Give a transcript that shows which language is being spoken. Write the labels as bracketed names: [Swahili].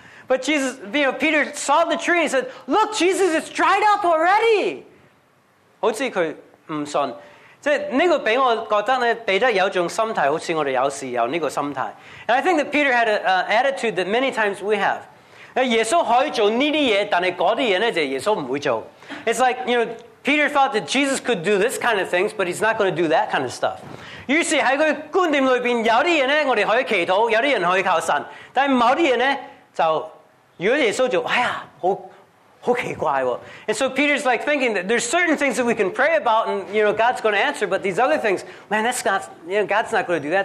[English] But Jesus, you know, Peter saw the tree and said, "Look, Jesus, it's dried up already." [Cantonese] 好似佢唔信，即系呢个俾我觉得咧，彼得有种心态，好似我哋有时有呢个心态。 [English] And I think that Peter had an attitude that many times we have. [Cantonese] 耶稣可以做呢啲嘢，但系嗰啲嘢咧就耶稣唔会做。 [English] It's like, you know, Peter thought that Jesus could do this kind of things, but he's not going to do that kind of stuff. [Cantonese] 於是喺佢觀念裏邊，有啲嘢咧我哋可以祈禱，有啲人可以靠神，但係某啲嘢咧就如果耶穌做，哎呀，好奇怪喎。 [English] And so Peter's like thinking that there's certain things that we can pray about, and you know God's going to answer, but these other things, man, that's not, you know, God's not going to do that.